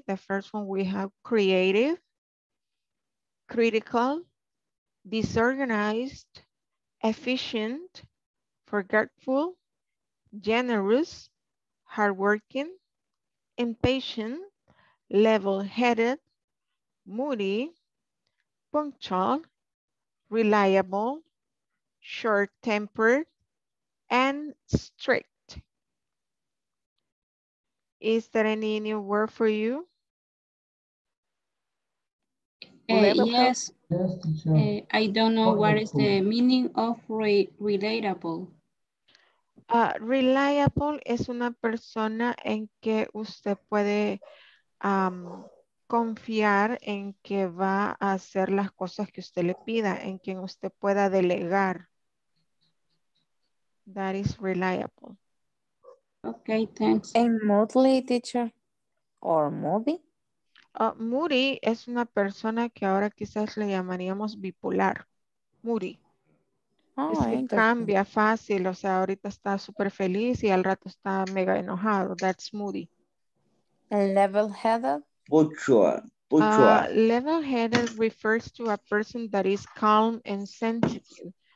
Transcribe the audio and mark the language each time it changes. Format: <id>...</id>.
<en>The first one we have creative, critical, disorganized, efficient, forgetful, generous, hardworking, impatient, level-headed, moody, punctual, reliable, short-tempered, and strict. Is there any new word for you? Yes. I don't know what is the meaning of relatable.</en> <es>Reliable es una persona en que usted puede confiar en que va a hacer las cosas que usted le pida, en quien usted pueda delegar.</es> <en>That is reliable. Okay, thanks. And moody, teacher, or moody?</en> <es>Moody es una persona que ahora quizás le llamaríamos bipolar. Moody. Oh, es que cambia fácil, o sea, ahorita está súper feliz y al rato está mega enojado.</es> <en>That's moody. Level-headed? Level-headed refers to a person that is calm and sensitive.</en>